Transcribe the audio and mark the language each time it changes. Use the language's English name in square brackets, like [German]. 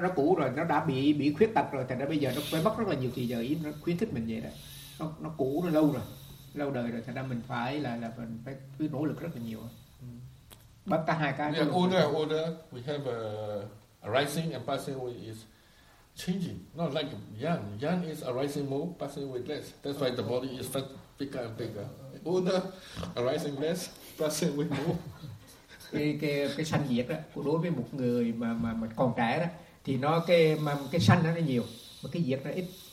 [Vietnamese] nó cũ rồi, nó đã bị khuyết tật rồi, thì nó bây giờ nó phải mất rất là nhiều thời giờ, ý nó khuyến khích mình vậy đó. Nó cũ nó lâu rồi. Lâu đời rồi, thành ra mình phải là mình phải cứ nỗ lực rất là nhiều. Bắt cả hai cái. [English] We are older, we have arising and passing away is changing. Not like young is arising more, passing away less. That's why the body is bigger and bigger. Older, arising less, passing away more. [Vietnamese] cái sanh diệt đó, đối với một người mà còn trẻ đó, thì nó cái sanh nó nhiều, mà cái diệt nó ít.